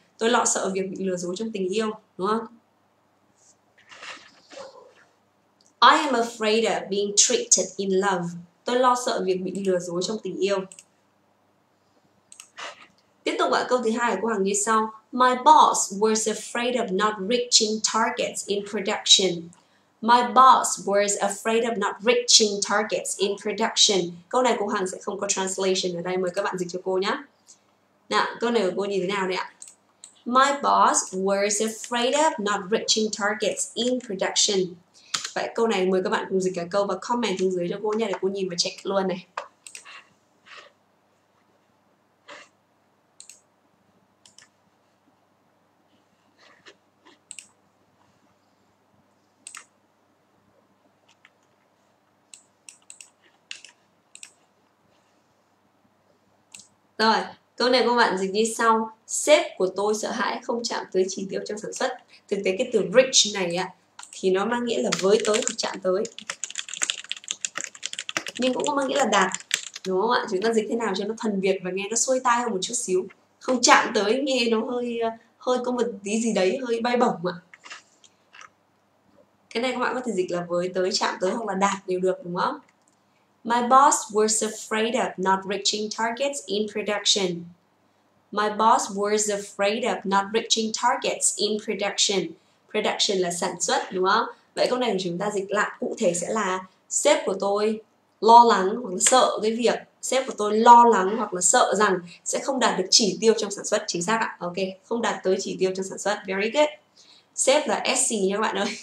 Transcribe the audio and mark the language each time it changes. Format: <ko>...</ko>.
<vi>Tôi lo sợ việc bị lừa dối trong tình yêu, đúng không?</vi> <en>I am afraid of being tricked in love.</en> <vi>Tôi lo sợ việc bị lừa dối trong tình yêu. Tiếp tục ạ, câu thứ hai của Hằng như sau.</vi> <en>My boss was afraid of not reaching targets in production. My boss was afraid of not reaching targets in production.</en> <vi>Câu này cô Hằng sẽ không có translation ở đây, mời các bạn dịch cho cô nhé. Nào, câu này của cô nhìn thế nào đây ạ?</vi> <en>My boss was afraid of not reaching targets in production.</en> <vi>Vậy câu này mời các bạn cùng dịch cả câu và comment xuống dưới cho cô nhé để cô nhìn và check luôn này. Rồi, câu này các bạn dịch như sau. Sếp của tôi sợ hãi không chạm tới chỉ tiêu trong sản xuất. Thực tế cái từ reach này ạ, thì nó mang nghĩa là với tới hoặc chạm tới, nhưng cũng có mang nghĩa là đạt, đúng không ạ? Chúng ta dịch thế nào cho nó thuần Việt và nghe nó xuôi tai hơn một chút xíu. Không chạm tới nghe nó hơi có một tí gì đấy, hơi bay bổng ạ. Cái này các bạn có thể dịch là với tới, chạm tới hoặc là đạt đều được, đúng không?</vi> <en>My boss was afraid of not reaching targets in production. My boss was afraid of not reaching targets in production.</en> <vi>Production là sản xuất, đúng không? Vậy câu này của chúng ta dịch lại cụ thể sẽ là sếp của tôi lo lắng hoặc sợ cái việc sếp của tôi lo lắng hoặc là sợ rằng sẽ không đạt được chỉ tiêu trong sản xuất. Chính xác ạ. Ok, không đạt tới chỉ tiêu trong sản xuất.</vi> <en>Very good.</en> <vi>Sếp là SC nha các bạn ơi.</vi>